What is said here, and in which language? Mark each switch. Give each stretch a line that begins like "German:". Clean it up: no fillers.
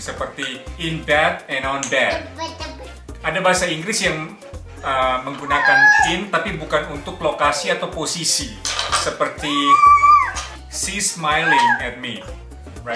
Indonesian: Seperti
English: in bed and on bed.
Indonesian: Ada bahasa Inggris yang menggunakan in tapi bukan untuk lokasi atau posisi. Seperti
English: she's smiling at me. Right?